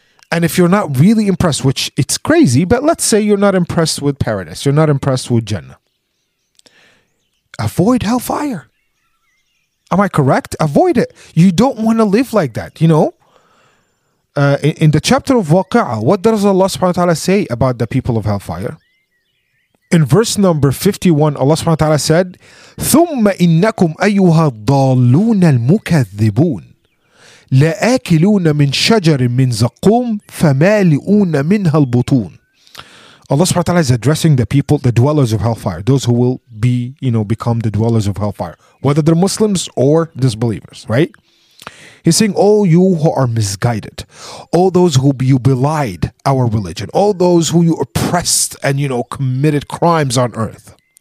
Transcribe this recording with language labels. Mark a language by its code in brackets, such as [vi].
[en] And if you're not really impressed, which it's crazy, but let's say you're not impressed with paradise, you're not impressed with Jannah, avoid hellfire. Am I correct? Avoid it. You don't want to live like that, you know? In the chapter of Waqi'ah, what does Allah subhanahu wa ta'ala say about the people of hellfire? In verse number 51, Allah subhanahu wa ta'ala said, [ar] ثُمَّ إِنَّكُمْ أَيُّهَا الضَّالُّونَ الْمُكَذِّبُونَ لَآكِلُونَ مِنْ شَجَرٍ مِنْ زَقُّومٍ فَمَالِئُونَ مِنْهَا الْبُطُونَ. [en] Allah subhanahu wa ta'ala is addressing the people, the dwellers of hellfire, those who will be, you know, become the dwellers of hellfire, whether they're Muslims or disbelievers, right? He's saying, all you who are misguided, all those who you belied our religion, all those who you oppressed and, you know, committed crimes on earth,